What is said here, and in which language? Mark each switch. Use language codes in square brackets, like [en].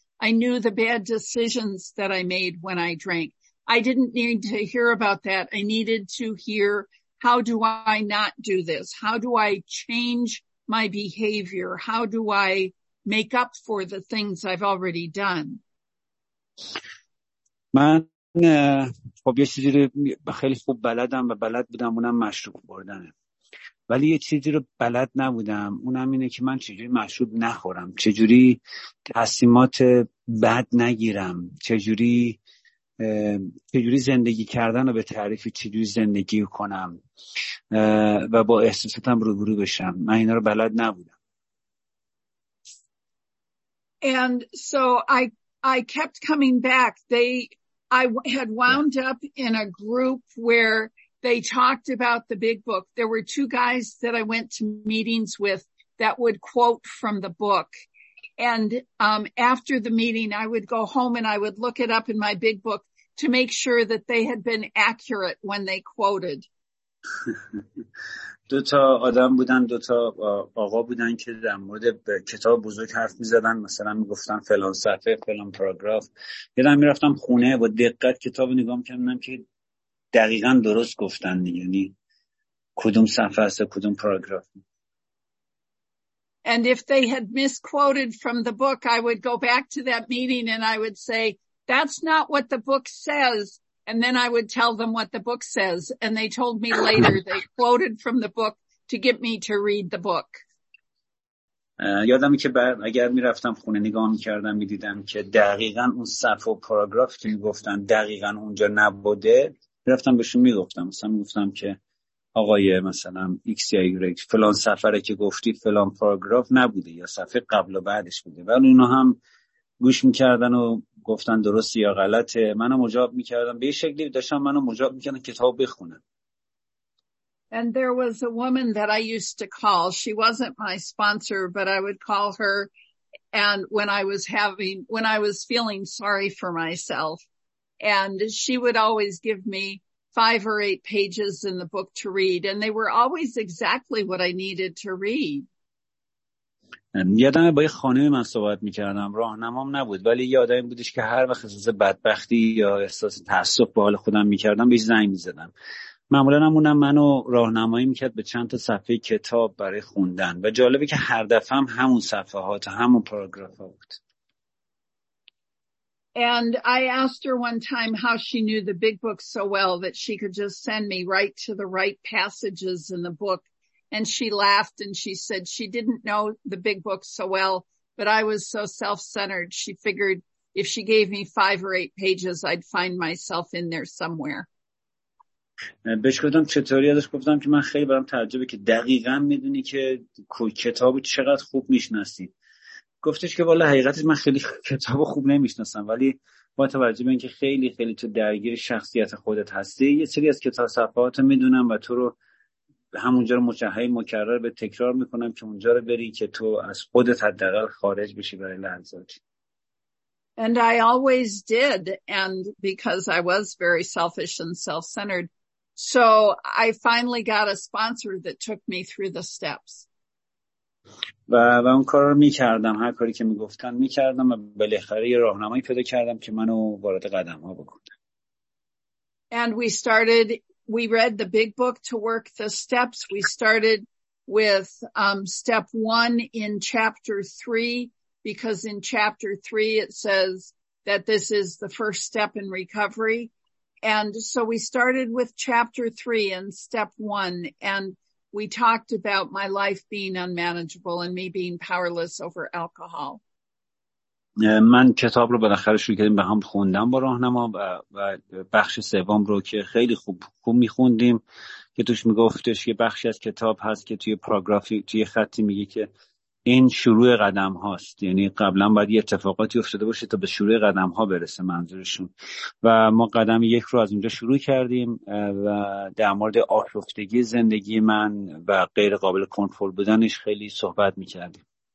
[en] I knew the bad decisions that I made when I drank. I didn't need to hear about that. I needed to hear, how do I not do this? How do I change my behavior? How do I make up for the things I've already done? [fa] من خب یه چیزی رو خیلی خوب بلدم و بلد بودم، اونم مشروب خوردن، ولی یه چیزی رو بلد نبودم، اونم اینه که من چجوری مشروب نخورم، چجوری تصمیمات بد نگیرم، چجوری زندگی کردن رو به تعریفی چجوری زندگی کنم و با احساساتم روبرو بشم. من اینا رو بلد نبودم. [en] And so I kept coming back. I had wound up in a group where they talked about the big book. There were two guys that I went to meetings with that would quote from the book. And after the meeting, I would go home and I would look it up in my big book to make sure that they had been accurate when they quoted. [fa] دو تا آدم بودن، دو تا آقا بودن که در مورد کتاب بزرگ حرف می‌زدن، مثلا میگفتن فلان صفحه فلان پاراگراف. یادم میرفتم خونه با دقت کتاب نگاه می‌کردم که دقیقاً درست گفتن، یعنی کدوم صفحه است کدوم پاراگراف. [en] And if they had misquoted from the book, I would go back to that meeting and I would say, that's not what the book says. And then I would tell them what the book says. And they told me later they quoted from the book to get me to read the book. [fa] یادمه که بعد اگر میرفتم خونه نگاه میکردم میدیدم که دقیقاً اون صفحه و پاراگرافی که میگفتن دقیقاً اونجا نبوده، میرفتم بهشون میگفتم، مثلا میگفتم که آقای مثلا ایکس یا ایگرگ فلان صفحه که گفتی فلان پاراگراف نبوده یا صفحه قبل و بعدش بوده، ولی اونا هم گوش میکردن و گفتن درست یا غلطه. منو مجاب میکردم به یه شکلی، داشتم منو مجاب میکردم کتاب بخونم. [en] And there was a woman that I used to call. She wasn't my sponsor, but I would call her and when I was feeling sorry for myself, and she would always give me 5 or 8 pages in the book to read, and they were always exactly what I needed to read. [fa] یادم با یه خانمی من صحبت میکردم، راهنمام نبود ولی یادم بودش که هر وقت احساس بدبختی یا احساس تأسف به حال خودم میکردم بهش زنگ میزدم. معمولا همونم منو راهنمایی میکرد به چند تا صفحه کتاب برای خوندن و جالبه که هر دفعه هم همون صفحات همون پاراگراف ها بود. [en] And I asked her one time how she knew the big book so well that she could just send me right to the right passages in the book. And she laughed and she said she didn't know the big book so well, but I was so self-centered, she figured if she gave me 5 or 8 pages, I'd find myself in there somewhere. [fa] بهش گفتم چطوری، ازش گفتم که من خیلی برام تعجبه که دقیقاً میدونی که کتابو چقدر خوب میشناسی. گفتش که والله حقیقتش من خیلی کتابو خوب نمیشناسم، ولی با توجه به اینکه خیلی خیلی تو درگیر شخصیت خودت هستی، یه سری از کتاب صفحاتو میدونم و تو رو همونجا رو مشهی مکرر به تکرار میکنم که اونجا رو بری که تو از خودت حداقل خارج بشی برای لحظاتی. [en] And I always did, and because I was very selfish and self-centered, so I finally got a sponsor that took me through the steps. [fa] و اون کار رو میکردم، هر کاری که میگفتن میکردم و بالاخره یه راهنمایی پیدا کردم که منو وارد قدم ها بکنه. [en] And we started. We read the big book to work the steps. We started with step one in chapter three, because in chapter three, it says that this is the first step in recovery. And so we started with chapter three and step one, and we talked about my life being unmanageable and me being powerless over alcohol. [fa] من کتاب رو بالاخره شروع کردیم به هم خوندم با راهنما و بخش سوم رو که خیلی خوب میخوندیم که توش میگفتش که بخشی از کتاب هست که توی پاراگرافی توی خطی میگه که این شروع قدم هاست، یعنی قبلا باید یه اتفاقاتی افتاده باشه تا به شروع قدم ها برسه منظورشون، و ما قدم یک رو از اونجا شروع کردیم و در مورد آشفتگی زندگی من و غیر قابل کنترل بودنش خیلی صحبت میکردیم.